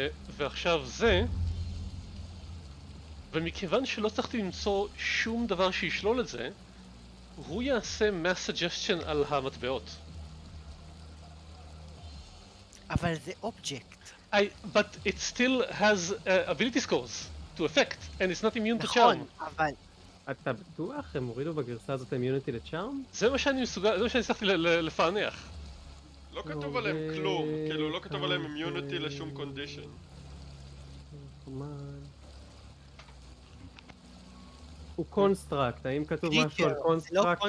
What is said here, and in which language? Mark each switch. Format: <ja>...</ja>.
<he>ועכשיו זה, ומכיוון שלא צריכתי למצוא שום דבר שישלול את זה, הוא יעשה mass suggestion על המטבעות. אבל זה אובג'קט.</he> <en>But it still has ability scores. To effect, and it's not immune</en> <he>נכון,</he> <en>to charm.</en> <he>נכון, אבל... אתה בטוח? הם הורידו בגרסה הזאת אימיוניטי לצ'ארם? זה מה שאני מסוגל, זה מה שאני הצלחתי לפענח. לא כתוב עליהם כלום, כאילו לא כתוב עליהם אימיוניטי לשום קונדישן. הוא קונסטרקט, האם כתוב משהו על קונסטרקט?</he>